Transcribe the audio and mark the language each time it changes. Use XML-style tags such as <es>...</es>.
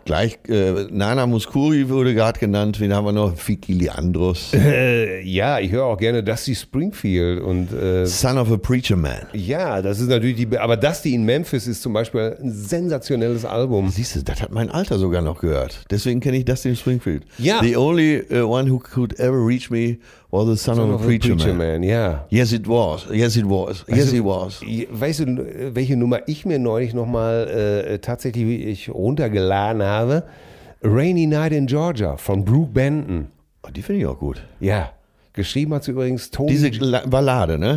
<de>Gleich, Nana Mouskouri wurde gerade genannt, wen haben wir noch? Fikiliandros. Ja, ich höre auch gerne Dusty Springfield und... Son of a Preacher Man. Ja, das ist natürlich die... Aber Dusty in Memphis ist zum Beispiel ein sensationelles Album. Siehst du, das hat mein Alter sogar noch gehört. Deswegen kenne ich Dusty Springfield. Ja.</de> <en>The only one who could ever reach me... Was the son of a preacher man. Yeah. Yes, it was. Yes, it was. Weißt yes, du, it was.</en> <de>Weißt du, welche Nummer ich mir neulich nochmal tatsächlich ich runtergeladen habe? Rainy Night in Georgia von Brooke Benton. Oh, die finde ich auch gut. Ja. Geschrieben hat sie übrigens Tony. Diese Ballade, ne?</de>